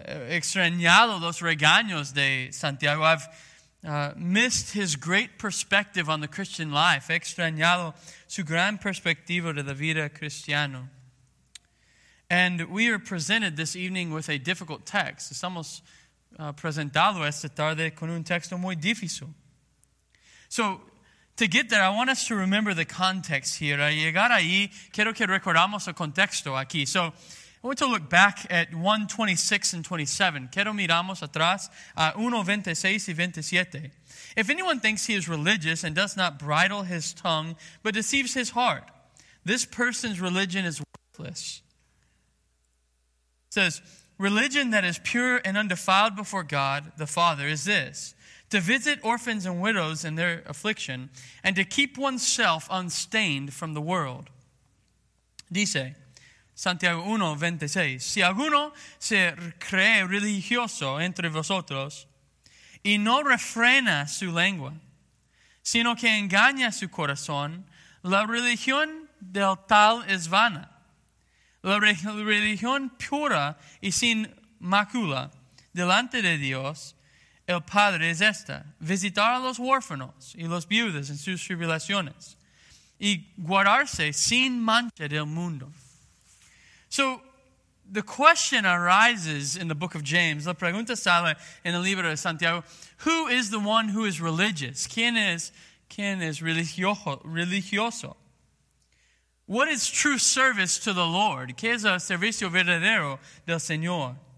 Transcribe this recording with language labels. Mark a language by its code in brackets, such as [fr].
[es] Extrañado los regaños de Santiago. [en] I've missed his great perspective on the Christian life. [es] Extrañado su gran perspectiva de la vida cristiana. [en] And we are presented this evening with a difficult text. [es] Estamos presentado esta tarde con un texto muy difícil. [en] So, to get there, I want us to remember the context here. [es] Al llegar ahí, quiero que recordamos el contexto aquí. [en] So, I want to look back at 1:26 and 27. [es] Quiero miramos atrás a 1:26 y 27. [en] If anyone thinks he is religious and does not bridle his tongue, but deceives his heart, this person's religion is worthless. It says, religion that is pure and undefiled before God the Father is this: to visit orphans and widows in their affliction, and to keep oneself unstained from the world. [es] Dice, Santiago 1:26, si alguno se cree religioso entre vosotros, y no refrena su lengua, sino que engaña su corazón, la religión del tal es vana. La religión pura y sin mácula delante de Dios el Padre es esta: visitar a los huérfanos y los viudas en sus tribulaciones y guardarse sin mancha del mundo. [en] So, the question arises in the book of James. [es] La pregunta sale en el libro de Santiago. [en] Who is the one who is religious? [es] ¿Quién es religioso? [en] What is true service to the Lord? [es] ¿Qué es el servicio verdadero del Señor?